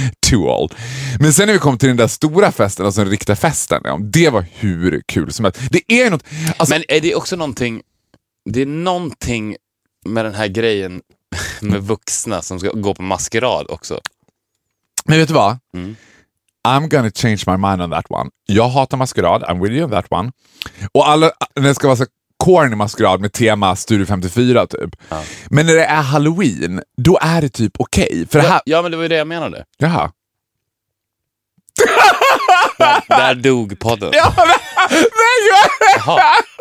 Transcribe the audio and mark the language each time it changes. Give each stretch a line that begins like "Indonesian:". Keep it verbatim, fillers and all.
English: Too old.
Swedish: Men sen när vi kom till den där stora festen, alltså den riktiga festen, ja, det var hur kul som helst. Det är något... Alltså... Men är det också någonting... Det är någonting med den här grejen med vuxna som ska gå på maskerad också. Men vet du vad? Mm.
English: I'm gonna change my mind on that one.
Swedish: Jag hatar maskerad.
English: I'm with you on that one.
Swedish: Och alla, när det ska vara så corny maskerad med tema Studio femtiofyra typ. Ja. Men när det är Halloween, då är det typ okej. Okay. För det här... Ja, men det var ju det jag menade. Jaha. Där, där dog podden. Ja, men, nej! Jaha.